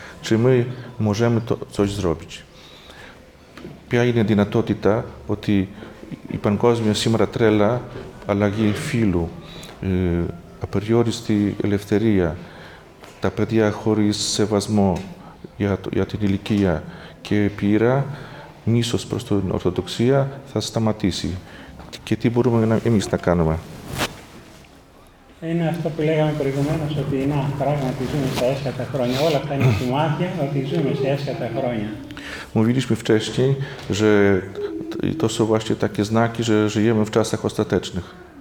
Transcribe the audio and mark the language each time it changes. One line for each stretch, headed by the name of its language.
Polish: Czy my możemy to coś zrobić?
Greek: Ποια είναι η δυνατότητα ότι η παγκόσμια σήμερα τρέλα αλλαγή φύλου, απεριόριστη ελευθερία, τα παιδιά χωρίς σεβασμό για την ηλικία και πείρα, μίσος προς την Ορθοδοξία, θα σταματήσει. Και τι μπορούμε εμείς να κάνουμε? Είναι αυτό που λέγαμε προηγουμένως, ότι είναι πράγματι ζούμε σε έσχατα χρόνια. Όλα αυτά είναι σημάδια ότι ζούμε σε έσχατα χρόνια.
Polish: Mówiliśmy wcześniej, że to są właśnie takie znaki, że żyjemy w czasach ostatecznych.